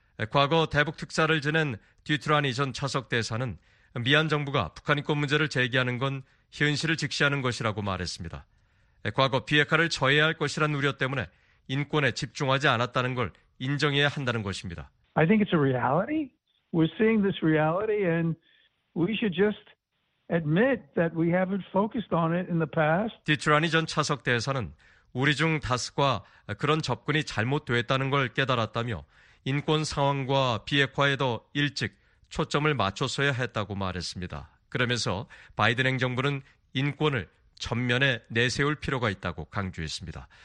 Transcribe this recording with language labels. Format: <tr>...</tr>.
<ko>과거 대북 특사를 지낸 듀트라니 전 차석 대사는 미얀 정부가 북한 인권 문제를 제기하는 건 현실을 직시하는 것이라고 말했습니다. 과거 비핵화를 저해할 것이란 우려 때문에 인권에 집중하지 않았다는 걸 인정해야 한다는 것입니다.</ko> <en>I think it's a reality. We're seeing this reality and we should just admit that we haven't focused on it in the past.</en> <ko>디트라니 전 차석 대사는 우리 중 다수가 그런 접근이 잘못됐다는 걸 깨달았다며 인권 상황과 비핵화에 더 일찍 초점을 맞췄어야 했다고 말했습니다. 그러면서 바이든 행정부는 인권을 전면에 내세울 필요가 있다고 강조했습니다.</ko>